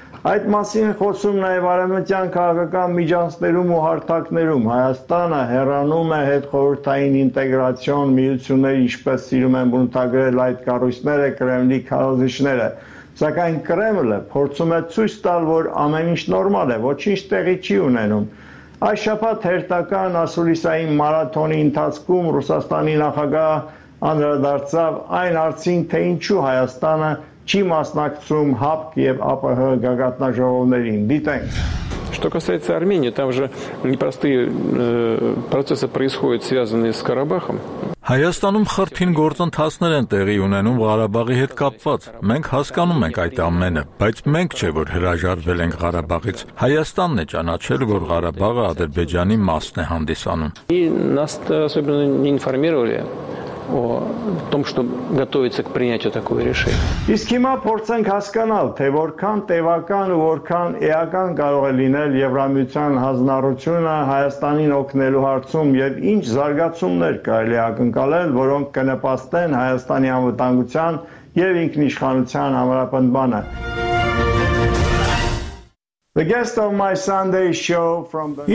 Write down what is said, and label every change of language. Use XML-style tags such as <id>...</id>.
<hy>Այդ մասին խոսում նաև արևմտյան քաղաքական միջանցներում ու հարթակներում Հայաստանը հեռանում է հետխորհրդային ինտեգրացիոն միությունների, ինչպես սիրում են բնութագրել այդ կառույցները Կրեմլի քարոզիչները, սակայն Կրեմլը փորձում է ցույց տալ, որ ամեն ինչ նորմալ է, ոչինչ տեղի չի ունենում։ Այս շաբաթ հերթական ասուլիսային մարաթոնի ընթացքում Ռուսաստանի նախագահ անդրադարձավ այն հարցին, թե ինչու Հայաստանը չի մասնակցում ՀԱՊԿ եւ ԱՊՀ գագաթնաժողովներին։ Դիտենք։</hy> <ru>Что касается Армении, там же непростые процессы происходят, связанные с Карабахом.</ru> <hy>Հայաստանում խրթին գործընթացներ են տեղի ունենում Ղարաբաղի հետ կապված։ Մենք հասկանում ենք այդ ամենը, բայց մենք չէ որ հրաժարվել ենք Ղարաբաղից։ Հայաստանն է ճանաչել, որ Ղարաբաղը Ադրբեջանի մասն է հանդիսանում։</hy> <ru>И нас особенно не информировали о том, что готовится к принятию такого решения.</ru> <hy>Իսկ հիմա փորձենք հասկանալ, թե որքան տևական ու որքան էական կարող է լինել Եվրամիության հանձնառությունը Հայաստանին օգնելու հարցում եւ ինչ զարգացումներ կարելի ակնկալել, որոնք կնպաստեն Հայաստանի անվտանգության եւ ինքնիշխանության համապատմմանը։</hy> <en>The guest of my Sunday show from the</en>